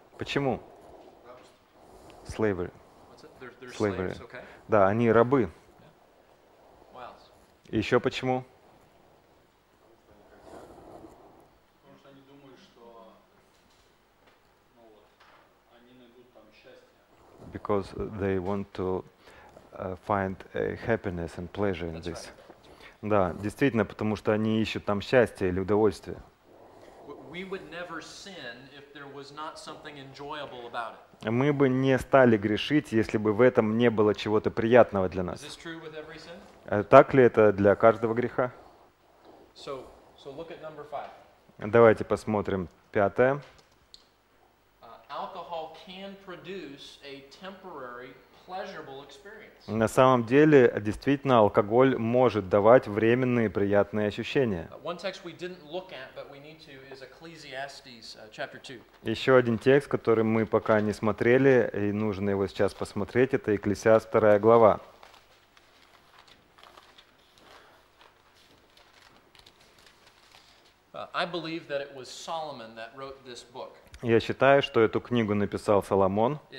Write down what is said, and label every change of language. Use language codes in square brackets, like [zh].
[ru] Почему? Slavery. [en] Slavery. Okay. [ru] Да, они рабы. [en] Yeah. Why else? [ru] И еще почему? Потому что они думают, что они найдут там счастье. [en] Because they want to find a happiness and pleasure in That's this. Right. [ru] Да, действительно, потому что они ищут там счастье или удовольствие. [en] We would never sin if there was not something enjoyable about it. [ru] Мы бы не стали грешить, если бы в этом не было чего-то приятного для нас. [en] Is this true with every sin? [ru] Так ли это для каждого греха? [en] So look at number five. [ru] Давайте посмотрим пятое. [en] Alcohol can produce a temporary pleasurable experience. [ru] На самом деле, действительно, алкоголь может давать временные приятные ощущения. [en] One text we didn't look at, but we need to, is Ecclesiastes, chapter 2. [ru] Еще один текст, который мы пока не смотрели, и нужно его сейчас посмотреть, это Екклесиаст 2 глава. [en] I believe that it was Solomon that wrote this book. [ru] Я считаю, что эту книгу написал Соломон.